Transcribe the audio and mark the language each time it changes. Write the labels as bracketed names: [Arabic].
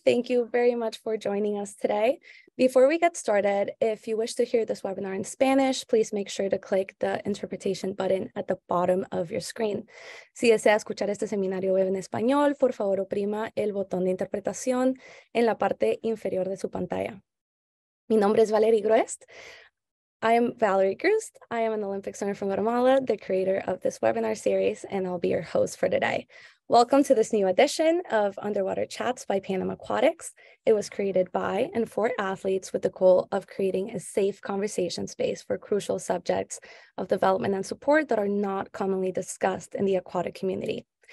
[English] Thank you very much for joining us today. Before we get started, if you wish to hear this webinar in Spanish, please make sure to click the interpretation button at the bottom of your screen. [Spanish] Si desea escuchar este seminario web en español, por favor oprima el botón de interpretación en la parte inferior de su pantalla. Mi nombre es Valerie Groest. [English] I am Valerie Groest. I am an Olympic swimmer from Guatemala, the creator of this webinar series, and I'll be your host for today. Welcome to this new edition of Underwater Chats by Panam Aquatics. It was created by and for athletes with the goal of creating a safe conversation space for crucial subjects of development and support that are not commonly discussed in the aquatic community.